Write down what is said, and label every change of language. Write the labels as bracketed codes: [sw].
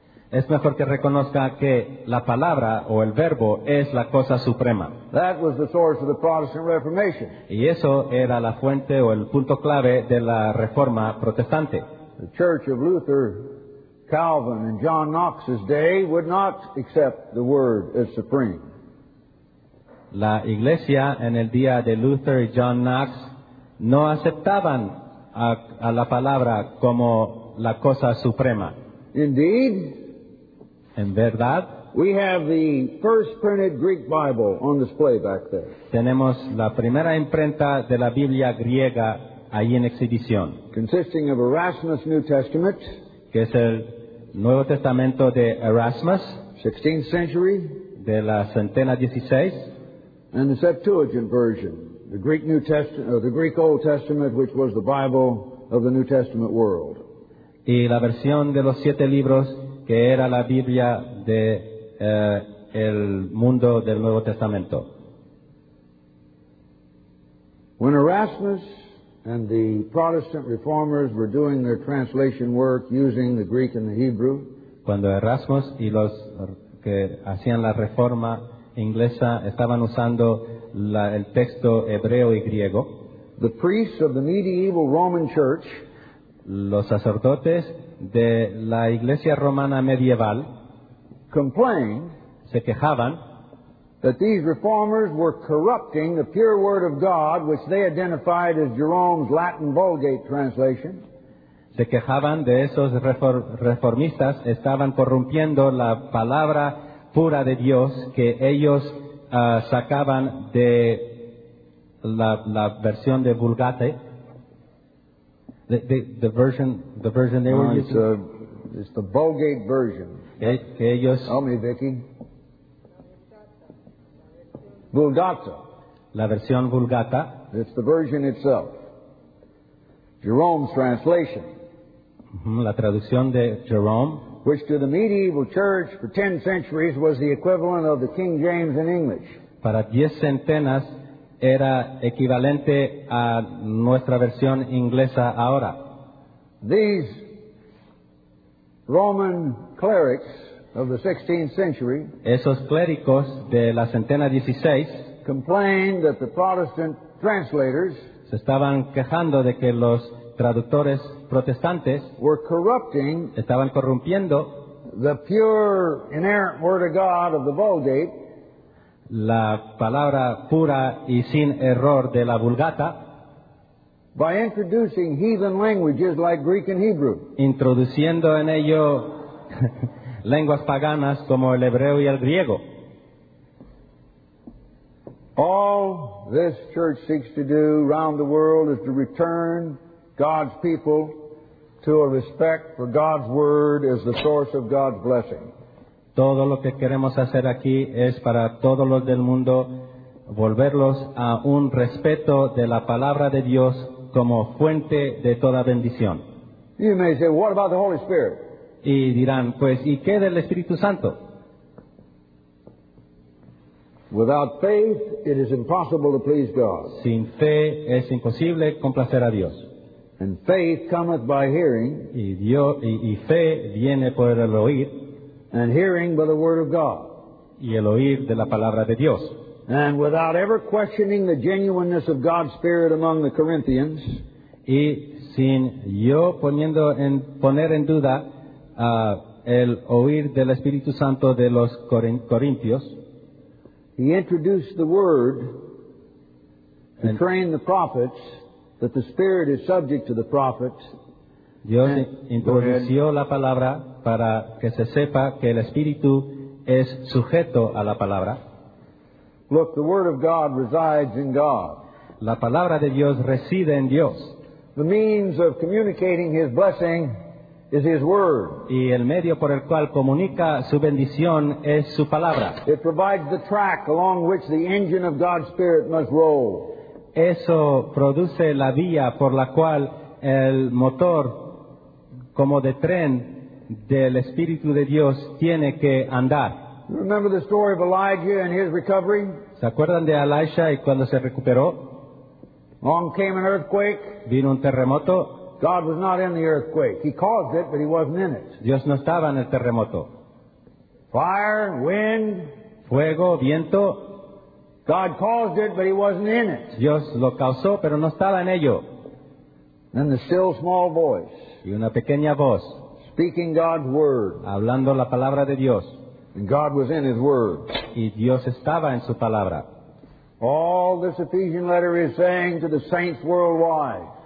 [es] Es mejor que reconozca que la palabra o el verbo es la cosa suprema. [en] That was the source of the Protestant Reformation. [es] Y eso era la fuente o el punto clave de la Reforma Protestante. [en] The Church of Luther, Calvin and John Knox's day would not accept the Word as supreme. [es] La Iglesia en el día de Luther y John Knox no aceptaban a la palabra como la cosa suprema. [en] Indeed, [es] en verdad, [en] we have the first printed Greek Bible on display back there. [es] Tenemos la primera imprenta de la Biblia griega ahí en exhibición. [en] Consisting of Erasmus' New Testament, [es] que es el Nuevo Testamento de Erasmus, [en] 16th century, [es] de la centena 16, [en] And the Septuagint version, the Greek New Testament, or the Greek Old Testament, which was the Bible of the New Testament world. [es] Y la versión de los siete libros, que era la Biblia de el mundo del Nuevo Testamento. [en] When Erasmus and the Protestant reformers were doing their translation work using the Greek and the Hebrew, [es] cuando Erasmus y los que hacían la reforma inglesa estaban usando el texto hebreo y griego, [en] the priests of the medieval Roman church, [es] los sacerdotes de la iglesia romana medieval, [en] complained, [es] se quejaban, [en] that these reformers were corrupting the pure word of God, which they identified as Jerome's Latin Vulgate translation. [es] Se quejaban de esos reformistas, estaban corrompiendo la palabra pura de Dios que ellos sacaban de la versión de Vulgate. [en] The version they were using. It's the Vulgate version. [es] Ellos, [en] tell me, Vicky. [es] Vulgata. La versión Vulgata. [en] It's the version itself. Jerome's translation. [es] La traducción de Jerome, [en] which to the medieval church for 10 centuries was the equivalent of the King James in English. [es] Para 10 centenas era equivalente a nuestra versión inglesa ahora. [en] These Roman clerics of the 16th century, [es] esos clérigos de la centena 16, [en] complained that the Protestant translators, [es] se estaban quejando de que los traductores protestantes [en] were corrupting, [es] estaban corrompiendo, [en] the pure inerrant word of God of the Vulgate, [es] la palabra pura y sin error de la Vulgata, [en] by introducing heathen languages like Greek and Hebrew, [es] introduciendo en ello lenguas paganas como el hebreo y el griego. [en] All this church seeks to do around the world is to return God's people to a respect for God's word as the source of God's blessing. [es] Todo lo que queremos hacer aquí es para todos los del mundo volverlos a un respeto de la palabra de Dios como fuente de toda bendición. [en] You may say, what about the Holy Spirit? [es] Y dirán, pues, ¿y qué del Espíritu Santo? [en] Without faith, it is impossible to please God. [es] Sin fe es imposible complacer a Dios. [en] And faith cometh by hearing. [es] Y fe viene por el oír. [en] And hearing by the word of God. [es] Y el oír de la palabra de Dios. [en] And without ever questioning the genuineness of God's Spirit among the Corinthians. [es] Y sin yo poner en duda el oír del Espíritu Santo de los Corintios. [en] He introduced the word to train the prophets. That the Spirit is subject to the prophets. [es] Dios introdujo la palabra para que se sepa que el Espíritu es sujeto a la palabra. [en] Look, the Word of God resides in God. [es] La palabra de Dios reside en Dios. [en] The means of communicating His blessing is His Word. [es] Y el medio por el cual comunica su bendición es su palabra. [en] It provides the track along which the engine of God's Spirit must roll. [es] Eso produce la vía por la cual el motor como de tren del Espíritu de Dios tiene que andar. [en] Remember the story of Elijah and his recovery? [es] ¿Se acuerdan de Elisha y cuando se recuperó? [en] Along came an earthquake. [es] Vino un terremoto. [en] God was not in the earthquake. He caused it, but he wasn't in it. [es] Dios no estaba en el terremoto. [en] Fire, wind, [es] fuego, viento. [en] God caused it, but he wasn't in it. [es] Dios lo causó, pero no estaba en ello. [en] And the still small voice. [es] Y una pequeña voz. [en] Speaking God's word. [es] Hablando la palabra de Dios. [en] And God was in his word. [es] Y Dios estaba en su palabra. [en] All this Ephesian letter is saying to the saints worldwide.